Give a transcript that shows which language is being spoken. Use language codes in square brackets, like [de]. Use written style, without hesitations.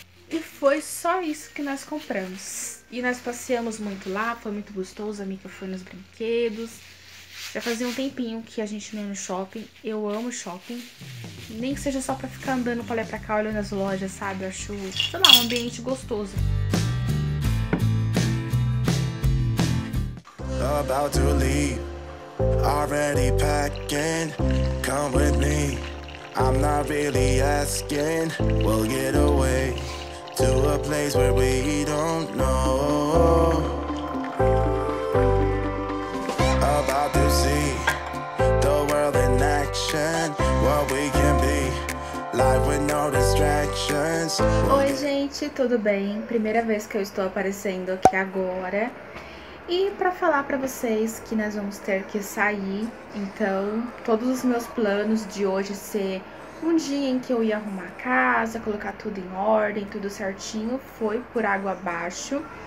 [pt] E foi só isso que nós compramos. E nós passeamos muito lá, foi muito gostoso, a Mika foi nos brinquedos. Já fazia um tempinho que a gente não ia no shopping, eu amo shopping. Nem que seja só pra ficar andando pra lá e pra cá, olhando as lojas, sabe? Eu acho, sei lá, um ambiente gostoso. [en] About to leave, already packing, come with me. I'm not really asking, we'll get away to a place where we don't know. About to see the world in action, what we can be, life with no distractions. [pt] Oi gente, tudo bem? Primeira vez que eu estou aparecendo aqui agora. E pra falar pra vocês que nós vamos ter que sair, então todos os meus planos de hoje ser um dia em que eu ia arrumar a casa, colocar tudo em ordem, tudo certinho, foi por água abaixo.